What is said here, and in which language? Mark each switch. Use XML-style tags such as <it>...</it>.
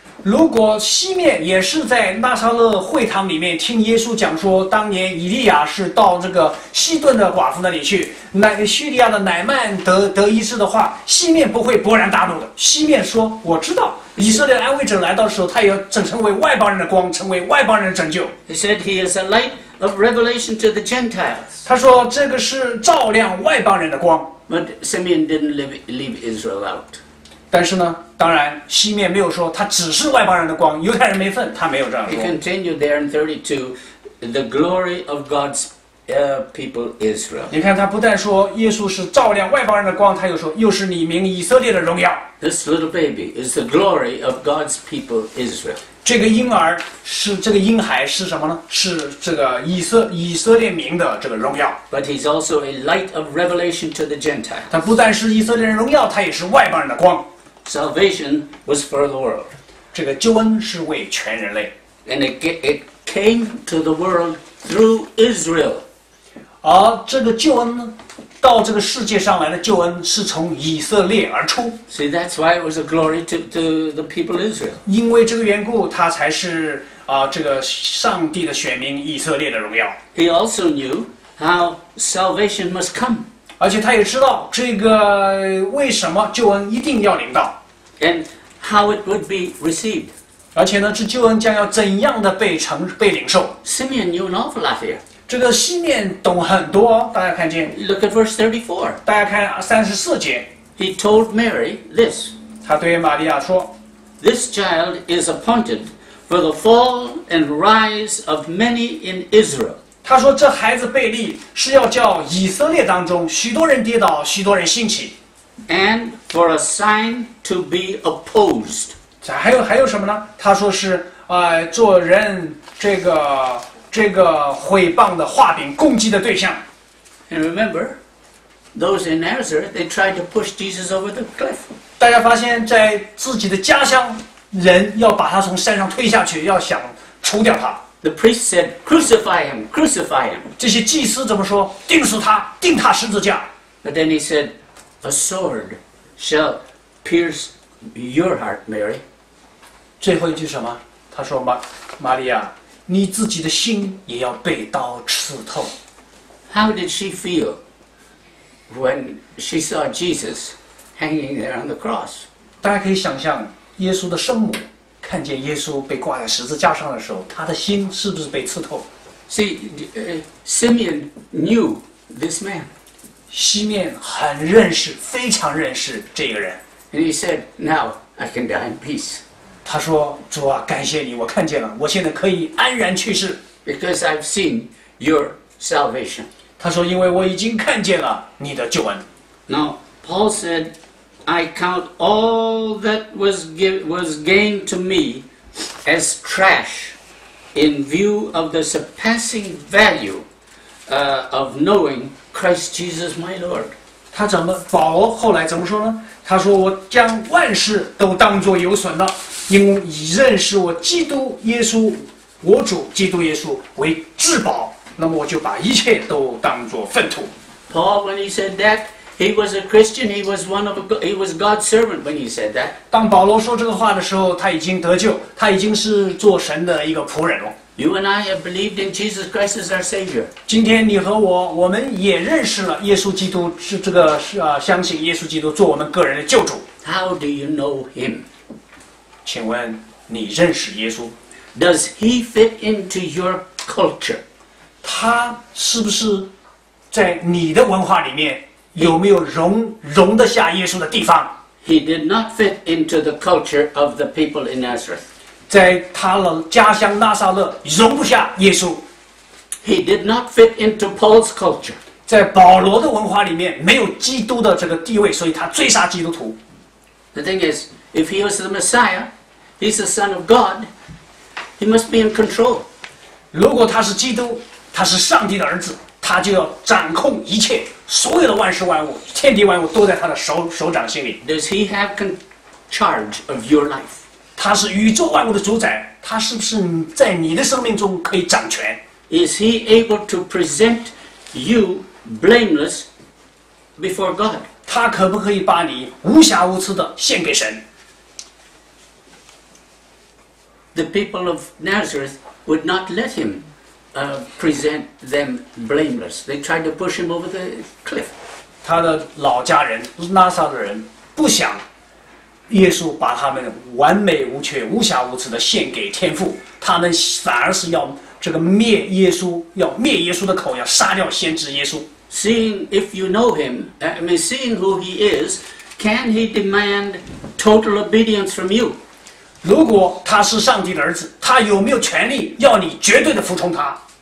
<zh>如果西面也是在拿撒勒会堂里面听耶稣讲说，当年以利亚是到这个西顿的寡妇那里去。叙利亚的乃曼得医治的话，西面不会勃然大怒的。西面说：“我知道，以色列安慰者来到的时候，他也要成为外邦人的光，成为外邦人的拯救。”</zh> <en>He said he is a light of revelation to the Gentiles.</en> <zh>他说这个是照亮外邦人的光。</zh> <en>But Simeon didn't leave Israel out.</en> <zh>但是呢，当然西面没有说他只是外邦人的光，犹太人没份，他没有这样说。</zh> <en>He continued there in 32, the glory of God's. People Israel.</en> <zh>你看他不但说耶稣是照亮外邦人的光，他又说又是你名以色列的荣耀。</zh> <en>This little baby is the glory of God's people Israel.</en> <zh>这个婴孩是什么呢？是这个以色列民的这个荣耀。</zh> <en>But he's also a light of revelation to the Gentiles.</en> <zh>他不但是以色列人荣耀，他也是外邦人的光。</zh> <en>Salvation was for the world.</en> <zh>这个救恩是为全人类。</zh> <en>And it came to the world. Through Israel,</en> <zh>而这个救恩到这个世界上来的救恩是从以色列而出。</zh> <en>See, that's why it was a glory to the people of Israel.</en> <zh>因为这个缘故，他才是这个上帝的选民以色列的荣耀。</zh> <en>He also knew how salvation must come.</en> <zh>而且他也知道这个为什么救恩一定要临到。</zh> <en>And how it would be received.</en> <zh>而且呢，这救恩将要怎样的被领受</zh> <en>？Simeon knew an awful lot here.</en> <zh>这个西面懂很多，大家看见</zh> <en>？Look at verse 34.</en> <zh>大家看34节。</zh> <en>He told Mary this.</en> <zh>他对玛利亚说</zh> <en>：“This child is appointed for the fall and rise of many in Israel.”</en> <zh>他说这孩子被立是要叫以色列当中许多人跌倒，许多人兴起。</zh> <en>And for a sign to be opposed.</en> <zh>还有什么呢？他说是做人这个毁谤的画饼，攻击的对象。</zh> <en>And remember, those in Nazareth they tried to push Jesus over the cliff.</en> <zh>大家发现，在自己的家乡，人要把他从山上推下去，要想除掉他。</zh> <en>The priest said, "Crucify him, crucify him."</en> <zh>这些祭司怎么说？钉死他，钉他十字架。</zh> <en>But then he said, "A sword shall pierce." Your heart, Mary.</en> <zh>最后一句什么？他说：“玛利亚，你自己的心也要被刀刺透。”</zh> <en>How did she feel when she saw Jesus hanging there on the cross?</en> <zh>大家可以想象，耶稣的生母看见耶稣被挂在十字架上的时候，她的心是不是被刺透</zh> <en>？See, Simeon knew this man.</en> <zh>西面很认识，非常认识这个人。</zh> <en>And he said, "Now I can die in peace."</en> <zh>他说：“主啊，感谢你，我看见了，我现在可以安然去世。”</zh> <en>Because I've seen your salvation.</en> <zh>他说：“因为我已经看见了你的救恩。”</zh> <en>Now Paul said, "I count all that was gained to me as trash, in view of the surpassing value of knowing Christ Jesus, my Lord."</en> <zh>他怎么保罗后来怎么说呢？他说：“我将万事都当作有损了，因以认识我基督耶稣，我主基督耶稣为至宝。那么我就把一切都当作粪土。”</zh> <en>Paul, when he said that, He was a Christian. He was one of he was God's servant when he said that.</en> <zh>当保罗说这个话的时候，他已经得救，他已经是做神的一个仆人了。</zh> <en>You and I have believed in Jesus Christ as our Savior.</en> <zh>今天你和我，我们也认识了耶稣基督，是这个相信耶稣基督做我们个人的救主。</zh> <en>How do you know Him?</en> <zh>请问你认识耶稣</zh> <en>？Does He fit into your culture?</en> <zh>他是不是在你的文化里面有没有容得下耶稣的地方</zh> <en>？He did not fit into the culture of the people in Nazareth.</en> <zh>在他的家乡纳撒勒容不下耶稣。</zh> <en>He did not fit into Paul's culture.</en> <zh>在保罗的文化里面没有基督的这个地位，所以他追杀基督徒。</zh> <en>The thing is, if he was the Messiah, he's the Son of God, he must be in control.</en> <zh>如果他是基督，他是上帝的儿子，他就要掌控一切，所有的万事万物，天地万物都在他的手掌心里。</zh> <en>Does he have charge of your life?</en> <zh>他是宇宙万物的主宰，他是不是在你的生命中可以掌权</zh> <en>？Is he able to present you blameless before God？</en> <zh>他可不可以把你无瑕无疵的献给神</zh> <en>？The people of Nazareth would not let him present them blameless. They tried to push him over the cliff.</en> <zh>他的老家人拉萨的人不想。耶稣把他们完美无缺、无瑕无疵的献给天父，他们反而是要这个灭耶稣，要灭耶稣的口，要杀掉先知耶稣。</zh> <en>Seeing if you know him, I mean seeing who he is, can he demand total obedience from you?</en> <zh>如果他是上帝的儿子，他有没有权利要你绝对的服从他</zh>